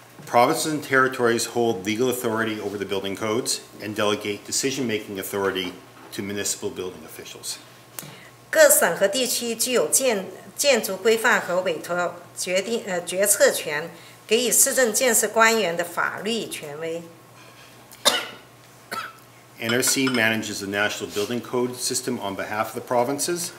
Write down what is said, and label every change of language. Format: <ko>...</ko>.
<en>Provinces and territories hold legal authority over the building codes and delegate decision-making authority to municipal building officials.</en> <zh>各省和地区具有建筑规范和委托决策权。给予市政建设官员的法律权威。</zh> <en>NRC manages the National Building Code system on behalf of the provinces.</en>